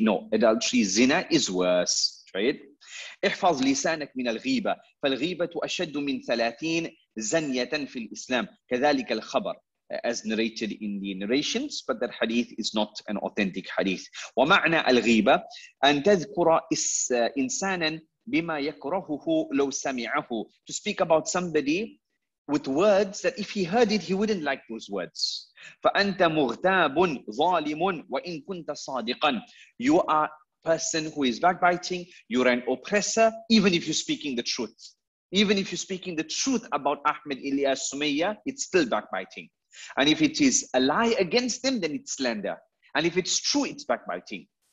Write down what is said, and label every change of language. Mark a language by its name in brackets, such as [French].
[English] No, adultery, zina is worse, right? [Arabic] احفظ لسانك من الغيبة فالغيبة أشد من 30 زنية في الإسلام كذلك الخبر [English] as narrated in the narrations, but that hadith is not an authentic hadith. [Arabic] ومعنى الغيبة أن تذكر إنسانا بما يكرهه لو سمعه, [English] to speak about somebody with words that if he heard it, he wouldn't like those words. [Arabic] فأنت مغتاب ظالم وإن كنت صادقا. [English] You are person who is backbiting, you're an oppressor, even if you're speaking the truth. Even if you're speaking the truth about Ahmed, Ilyas, Sumayya, it's still backbiting. And if it is a lie against them, then it's slander. And if it's true, it's backbiting.